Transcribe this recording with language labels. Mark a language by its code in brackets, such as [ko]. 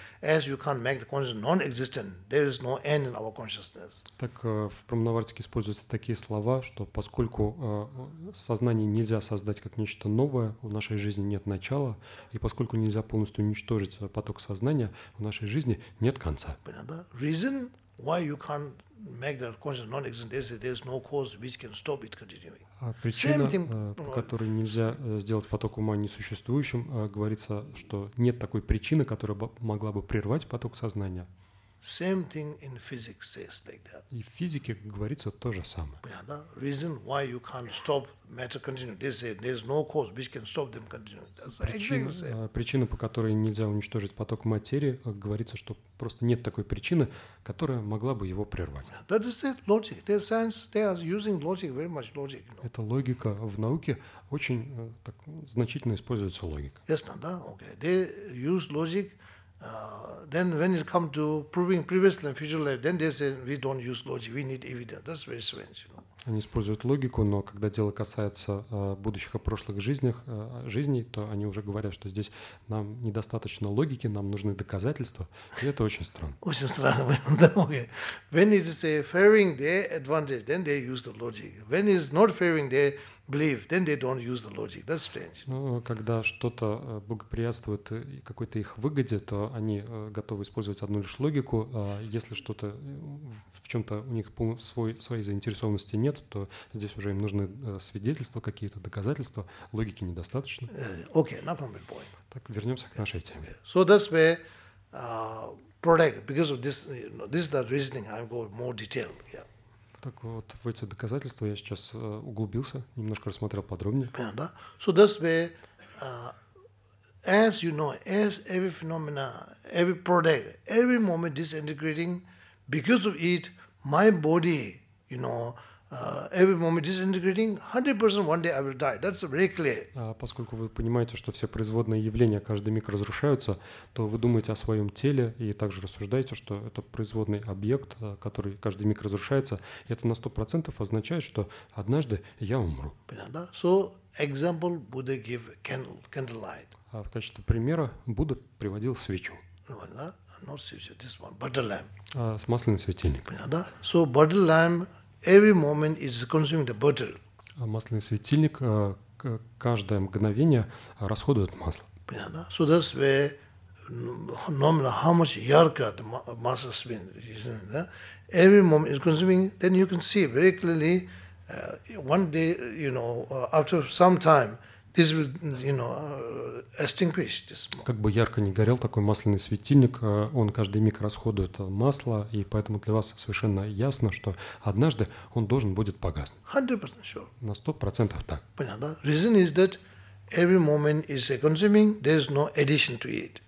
[en] As you can't make the consciousness non-existent, there is no end in our consciousness. [ru] Так в Парамахансе используются такие слова, что поскольку сознание нельзя создать как нечто новое, в нашей жизни нет начала, и поскольку нельзя полностью уничтожить поток сознания, в нашей жизни нет конца. Понятно? [en] Reason, why you can't make that consciousness non-existent? They say there's no cause which can stop it continuing. [ru] А причина, по которой нельзя сделать поток ума несуществующим, говорится, что нет такой причины, которая могла бы прервать поток сознания. [en] Same thing in physics says like that. [ru] И в физике говорится то же самое. [en] Yeah, the reason why you can't stop matter continuing, they say there's no cause which can stop them continuing. That's [ru] причина, причина, по которой нельзя уничтожить поток материи, говорится, что просто нет такой причины, которая могла бы его прервать. [en] Yeah, that is the logic. The science, they are using logic very much. Logic. You know? [ru] Это логика в науке очень так, значительно используется логика. [en] Yes, no, [ru] да, [en] okay. They use logic. Then when it comes to proving previous life, future life, then they say we don't use logic, we need evidence. That's very strange. You know? [ru] Они используют логику, но когда дело касается будущих и прошлых жизнях, жизней, то они уже говорят, что здесь нам недостаточно логики, нам нужны доказательства. И это очень странно. Очень странно. [en] Okay. When it is favoring their advantage, then they use the logic. When it is not favoring their believe, then they don't use the logic. That's strange. [ru] Ну, когда что-то благоприятствует какой-то их выгоде, то они готовы использовать одну лишь логику. Если что-то в чем-то у них своей заинтересованности нет, то здесь уже им нужны свидетельства, какие-то доказательства. Логики недостаточно. [en] Okay, not a good point. [ru] Так, вернемся к нашей теме. [en] Okay. So that's where product, because of this, you know, this is the reasoning, I'm going more detail. Yeah. [ru] Так вот, в эти доказательства я сейчас углубился, немножко рассмотрел подробнее. [en] Yeah, [ru] да? [en] So that's where, as you know, as every phenomena, every product, every moment disintegrating, because of it, my body, you know, every moment disintegrating, 100% one day I will die. That's very clear. [ru] Поскольку вы понимаете, что все производные явления каждый миг разрушаются, то вы думаете о своем теле и также рассуждаете, что это производный объект, который каждый миг разрушается. Это на 100% означает, что однажды я умру. Понятно? [en] So, example, Buddha give candlelight. [ru] В качестве примера Будда приводил свечу. Понятно? [en] Not [ru] свечу, [en] this one, butter lamp. [ru] Масляный светильник. Понятно? [en] So, butter lamp. Every moment is consuming the butter. [ru] Масляный светильник каждое мгновение расходует масло. Понятно? [en] So that's where normally how much [ru] ярко [en] the [ru] масло свет. [en] Every moment is consuming. Then you can see very clearly one day, you know, after some time, this will, you know, extinguish this. [ru] Как бы ярко ни горел такой масляный светильник, он каждый миг расходует масло, и поэтому для вас совершенно ясно, что однажды он должен будет погаснуть. [en] 100% sure. [ru] На 100% так. Понятно. [en] Reason is that every moment is consuming. There is no addition to it.